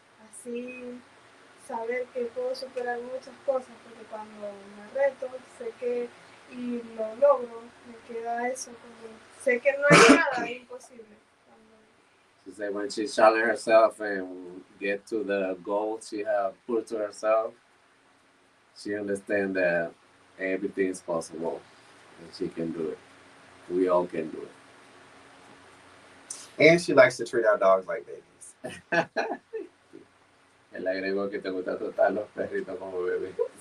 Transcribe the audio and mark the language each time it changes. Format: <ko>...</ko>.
<es>Así, saber que puedo superar muchas cosas, porque cuando me reto, sé que, y lo logro, me queda eso como...</es> <en>She said when she challenged herself and get to the goal she had put to herself, she understand that everything is possible and she can do it. We all can do it. And she likes to treat our dogs like babies.</en> <es>El agregó que te gusta tratar los perritos como bebés.</es>